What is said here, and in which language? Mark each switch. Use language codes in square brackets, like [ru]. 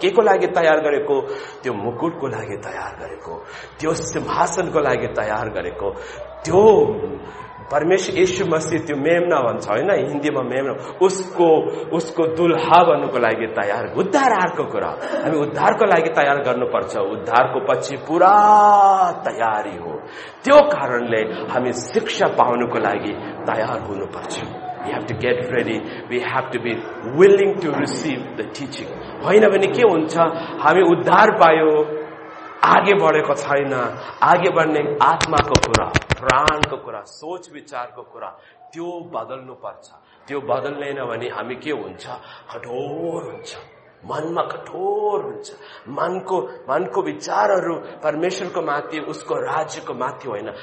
[ne] के को लागि तयार गरेको? त्यो मुकुटको लागि तयार गरेको, त्यो सिंहासनको लागि तयार गरेको, त्यो परमेश्वर यीशु मसीह त्यो मेमना भन्छ होइन हिन्दीमा मेमना, उसको उसको दुल्हा भन्नुको लागि तयार। उद्धार अर्को कुरा, हामी उद्धारको लागि तयार गर्नुपर्छ, उद्धारको पछि पुरा तयारी हो, त्यो कारणले हामी शिक्षा पाउनुको लागि तयार हुनुपर्छ। [en] We have to get ready, we have to be willing to receive the teaching. [ne] होइन भने के हुन्छ, हामी उद्धार पायो आगे बढेको छैन, आगे बढ्ने आत्माको कुरा, प्राणको कुरा, सोच विचारको कुरा, त्यो बदल्नु पर्छ। त्यो बदल्दैन भने हामी के हुन्छ, कठोर हुन्छ, मनमा कठोर हुन्छ, मनको विचारहरू परमेश्वरको माथि, उसको राज्यको माथि होइन।